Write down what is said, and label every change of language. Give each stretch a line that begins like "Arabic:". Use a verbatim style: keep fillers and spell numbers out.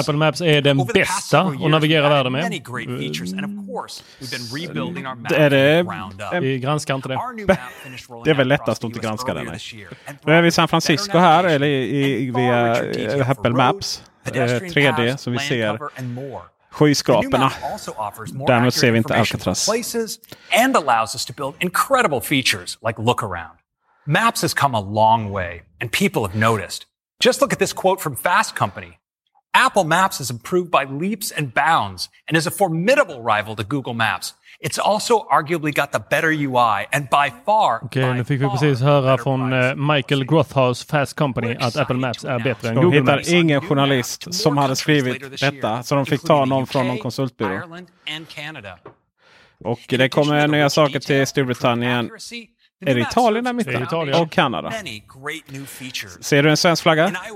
Swedish: Apple Maps är den bästa att navigera världen med.
English: Many great features, and of course, we've been rebuilding our map
Swedish: är det,
English: round up.
Swedish: Vi granskar inte det. Det är väl lättast att inte granska den. Nu är vi i San Francisco här, eller i, via Apple Maps tre D som vi ser. Skyskraporna. Därmed ser vi inte Alcatraz.
English: And allows us to build incredible features like look around. Maps has come a long way, and people have noticed. Just look at this quote from Fast Company. Apple Maps has improved by leaps and bounds and is a formidable rival to Google Maps. It's also arguably got the better U I and by far...
Swedish: Okej, okay, nu fick vi precis höra från uh, Michael Grothaus Fast Company att Apple Maps är bättre än de Google hittar Maps. Ingen journalist som hade skrivit detta, så de fick ta någon från någon konsultbyrå. Och det kommer nya saker till Storbritannien. Är det Italien i mitten? Och Kanada. Ser du en svensk flagga?